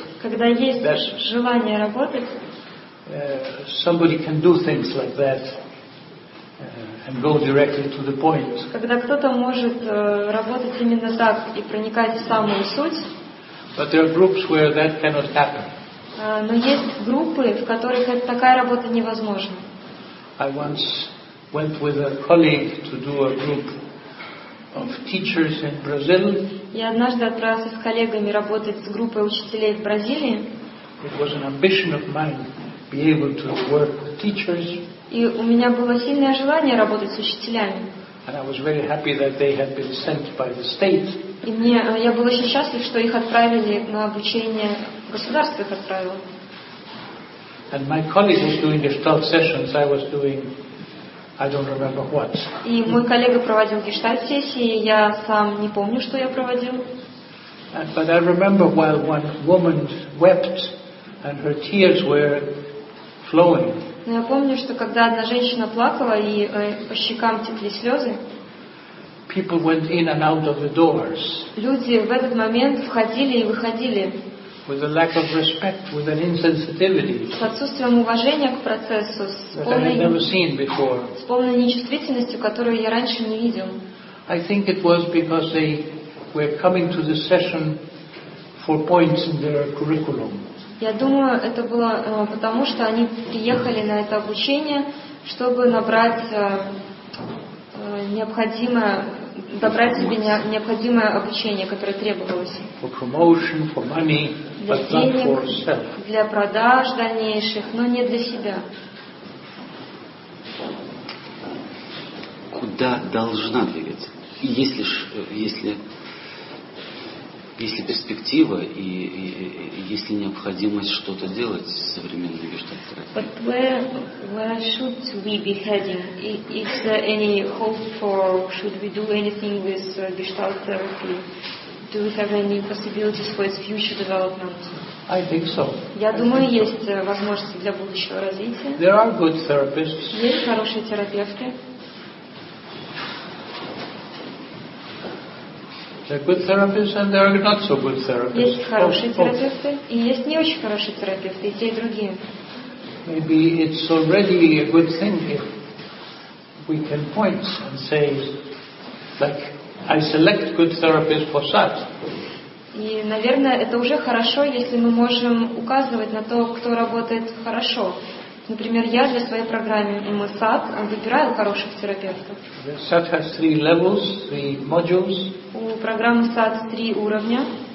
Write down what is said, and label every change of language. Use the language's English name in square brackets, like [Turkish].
[Russian] Когда есть желание работать. [English] Somebody can do things like that. And go directly to the point. [Russian] Когда кто-то может работать именно так и проникать в самую суть. [English] But there are groups where that cannot happen. [Russian] Но есть группы, в которых такая работа невозможна. [English] I once went with a colleague to do a group of teachers in Brazil. [Russian] Я однажды отправился с коллегами работать с группой учителей в Бразилии. [English] It was an ambition of mine to be able to work with teachers. [Russian] И у меня было сильное желание работать с учителями. [English] And I was very happy that they had been sent by the state. [Russian] И мне, я был очень счастлив, что их отправили на обучение, государство их отправило. [English] And my colleague was doing gestalt sessions, I was doing, I don't remember what. [Russian] И мой коллега проводил гештальт-сессии, я сам не помню, что я проводил. [English] But I remember while one woman wept and her tears were flowing. [Russian] Но я помню, что когда одна женщина плакала, и по щекам текли слезы, [English] people went in and out of the doors. [Russian] Люди в этот момент входили и выходили [English] with a lack of respect, with an insensitivity, [Russian] с отсутствием уважения к процессу, с полной нечувствительностью, которую я раньше не видел. [English] I think it was because they were coming to the session for points in their curriculum. [Russian] Я думаю, это было потому, что они приехали на это обучение, чтобы добрать себе необходимое обучение, которое требовалось. [English] For promotion, for money, [Russian] для [English] but [Russian] денег, [English] not for self. [Russian] Для продаж дальнейших, но не для себя. Куда должна двигаться? Если перспектива и если необходимость что-то делать с современными гештальт-терапией. [English] But where should we be heading? Is there any hope for, should we do anything with gestalt therapy? Do we have any possibilities for its future development? I think so. [Russian] Я думаю, есть возможности для будущего развития. [English] There are good therapists. [Russian] Есть хорошие терапевты. [English] There are good therapists and there are not so good therapists. [Russian] Есть хорошие терапевты, и есть не очень хорошие терапевты, и те, и другие. [English] Maybe it's already a good thing if we can point and say, like, I select good therapists for SAT. [Russian] И, наверное, это уже хорошо, если мы можем указывать на то, кто работает хорошо Например, я для своей программы MSAT выбираю хороших терапевтов. [English] The SAT has three levels, three modules. [Russian] У программы SAT три уровня.